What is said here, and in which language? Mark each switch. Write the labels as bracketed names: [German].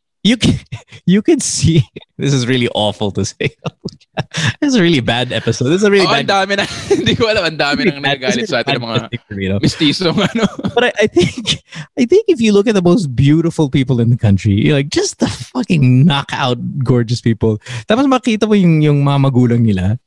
[English] You can see, this is really awful to say. This is a really bad episode. This is a really bad episode. [Filipino] Dami na, hindi ko alam, ang dami nang nagagalit sa atin ng mga mistisong ano. [English] But I think if you look at the most beautiful people in the country, you're like, just the fucking knockout gorgeous people. [Filipino] Tapos makita mo yung mga magulang nila.